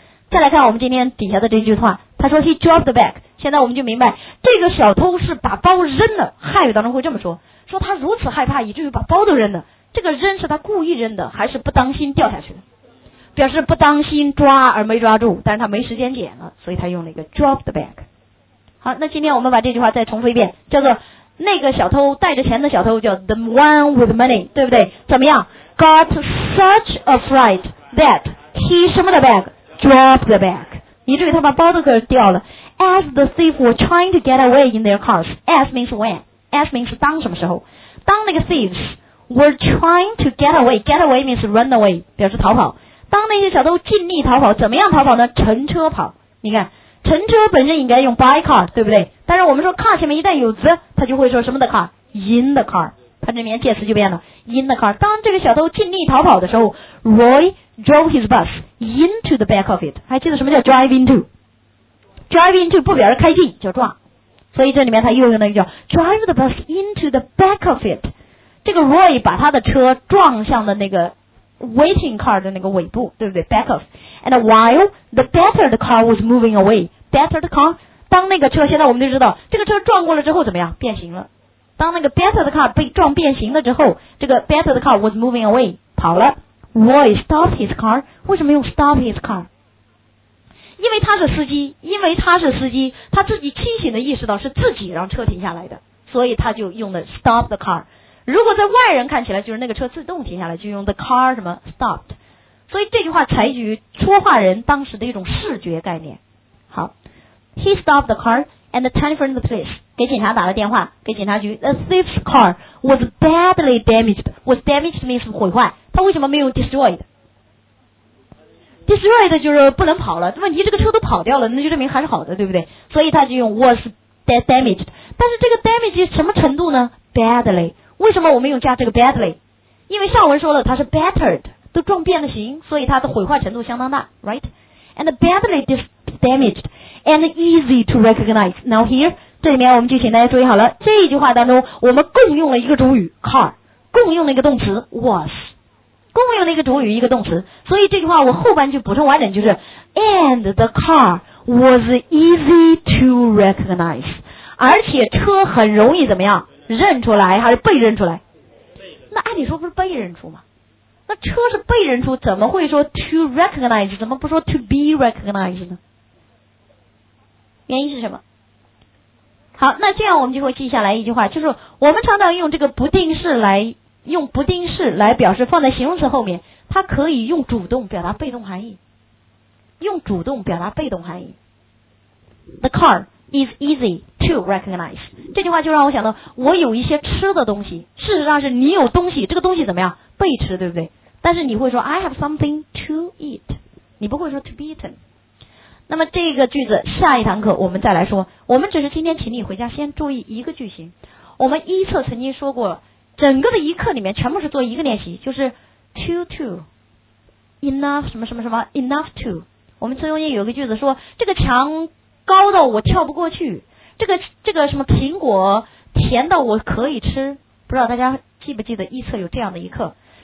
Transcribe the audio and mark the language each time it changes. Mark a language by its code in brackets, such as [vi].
[zh] 再来看我们今天底下的这句话，他说 [en] he dropped the bag， [zh] 现在我们就明白这个小偷是把包扔了。汉语当中会这么说，说他如此害怕以至于把包都扔了，这个扔是他故意扔的还是不当心掉下去的，表示不当心抓而没抓住，但是他没时间捡了，所以他用了一个 drop the bag。好，那今天我们把这句话再重复一遍，叫做那个小偷带着钱的小偷叫 [en] the one with money， [zh] 对不对？怎么样？ [en] got such a fright that he [zh] 什么的 [en] bag drop the bag， [zh] 以至于他把包都给掉了。 [en] as the thief were trying to get away in their cars， as means when， as means [zh] 当什么时候，当那个 [en] thieves were trying to get away， get away means run away， [zh] 表示逃跑，当那些小偷尽力逃跑，怎么样逃跑呢？乘车跑。你看乘车本身应该用 by car， 对不对？但是我们说 car 前面一旦有子，他就会说什么的 car， [en] in the car， [zh] 他这里面介词就变了 in the car。当这个小偷尽力逃跑的时候， [en] Roy drove his bus into the back of it， 还记得什么叫 drive into？ [zh] drive into 不表示开进，叫撞，所以这里面他又用那个叫 [en] drive the bus into the back of it， [zh] 这个 Roy 把他的车撞向了那个waiting car 的那个尾部，对不对？ [en] back of， and while the battered car was moving away， battered car， [zh] 当那个车，现在我们就知道这个车撞过了之后怎么样，变形了，当那个 [en] battered car [zh] 被撞变形了之后， [en] 这个 battered car was moving away， [zh] 跑了。 [en] Roy stopped his car， [zh] 为什么用 [en] stop his car？ [zh] 因为他是司机，他自己清醒的意识到是自己让车停下来的，所以他就用了 stop the car。如果在外人看起来就是那个车自动停下来，就用 the car 什么 stopped， 所以这句话采取说话人当时的一种视觉概念。 [en] 好， he stopped the car and telephoned the police， [zh] 给警察打了电话，给警察局。 [en] the thief's car was badly damaged， was damaged means [zh] 毁坏，他为什么没有 [en] destroyed？ [zh] destroyed 就是不能跑了，问题这个车都跑掉了，那就证明还是好的，对不对？所以他就用 was damaged， 但是这个 damage 什么程度呢？ [en] badly。 [zh] 为什么我们用加这个 badly？ 因为上文说了它是 battered， 都撞变了形，所以它的毁坏程度相当大， right？ [en] and badly damaged and easy to recognize。 [zh] now here， 这里面我们就请大家注意好了，这一句话当中我们共用了一个主语 car， 共用了一个动词 was， 共用了一个主语一个动词，所以这句话我后半句补充完整就是 [en] and the car was easy to recognize， [zh] 而且车很容易怎么样认出来，还是被认出来？那按理说不是被认出吗？那车是被认出，怎么会说 to recognize， 怎么不说 [en] to be recognized [zh] 呢？原因是什么？好，那这样我们就会记下来一句话，就是我们常常用这个不定式来，用不定式来表示放在形容词后面，它可以用主动表达被动含义，用主动表达被动含义。 [en] the car is easy to recognize， [zh] 这句话就让我想到我有一些吃的东西，事实上是你有东西，这个东西怎么样被吃，对不对？但是你会说 [en] I have something to eat， [zh] 你不会说 [en] to be eaten。 [zh] 那么这个句子下一堂课我们再来说，我们只是今天请你回家先注意一个句型。我们一册曾经说过整个的一课里面全部是做一个练习，就是 to enough 什么什么什么 enough to。我们中间有一个句子说这个墙高到我跳不过去，这个什么苹果甜到我可以吃，不知道大家记不记得一册有这样的一课。